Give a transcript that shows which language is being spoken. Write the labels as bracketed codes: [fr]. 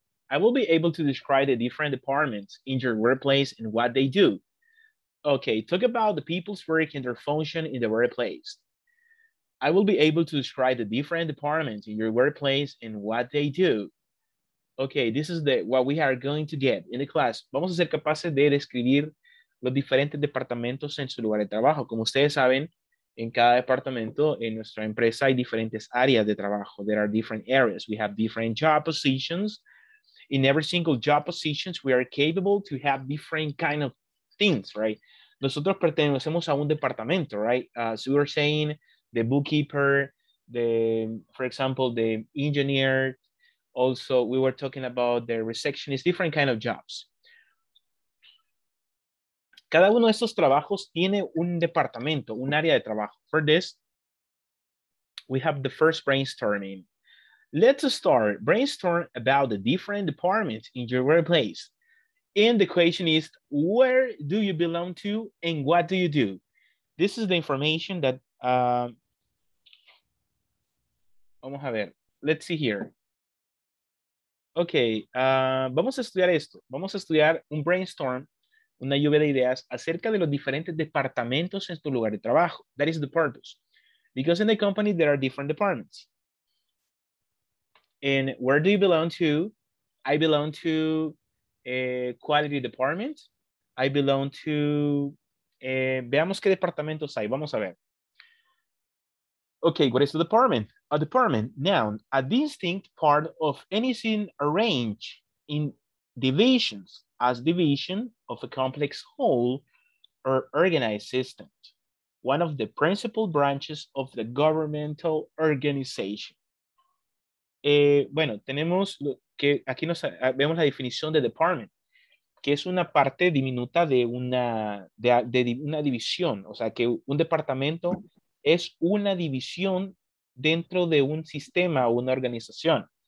[en] I will be able to describe the different departments in your workplace and what they do. Okay, talk about the people's work and their function in the workplace. I will be able to describe the different departments in your workplace and what they do. Okay, this is the what we are going to get in the class. [es] Vamos a ser capaces de describir los diferentes departamentos en su lugar de trabajo. Como ustedes saben, en cada departamento en nuestra empresa hay diferentes áreas de trabajo. [en] There are different areas. We have different job positions. In every single job positions, we are capable to have different kind of things, right? [es] Nosotros pertenecemos a un departamento, right? [en] So we're saying the bookkeeper, the, for example, the engineer. Also, we were talking about the receptionist, different kind of jobs. [es] Cada uno de estos trabajos tiene un departamento, un área de trabajo. [en] For this, we have the first brainstorming. Let's start brainstorm about the different departments in your workplace. And the question is, where do you belong to and what do you do? This is the information that, [es] vamos a ver, [en] let's see here. [es] Okay, vamos a estudiar esto. Vamos a estudiar un brainstorm, una lluvia de ideas acerca de los diferentes departamentos en tu lugar de trabajo. [en] That is the purpose. Because in the company, there are different departments. And where do you belong to? I belong to a quality department. I belong to, [es] veamos qué departamentos hay. Vamos a ver. [en] Okay, what is the department? A department, noun, a distinct part of anything arranged in divisions as division of a complex whole or organized system. one of the principal branches of the governmental organization. [es] Bueno, tenemos que aquí nos vemos la definición de department, que es una parte diminuta de una división, o sea que un departamento es una división dentro de un sistema o una organización.